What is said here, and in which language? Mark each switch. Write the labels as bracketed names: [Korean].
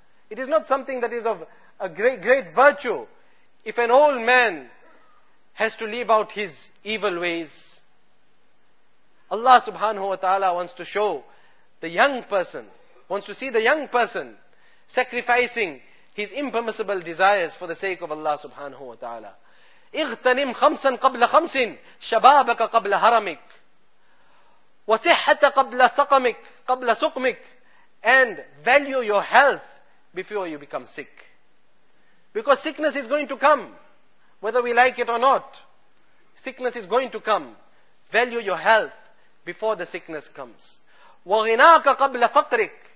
[English] It is not something that is of a great, great virtue if an old man has to leave out his evil ways. Allah subhanahu wa ta'ala wants to show the young person, wants to see the young person sacrificing his impermissible desires for the sake of Allah subhanahu wa ta'ala. [Arabic] اغتنم خمسا قبل خمس شبابك قبل هرمك وصحة قبل سقمك قبل سقمك. [English] And value your health before you become sick. Because sickness is going to come, whether we like it or not. Sickness is going to come. Value your health before the sickness comes. [Arabic] وغناك قبل فقرك.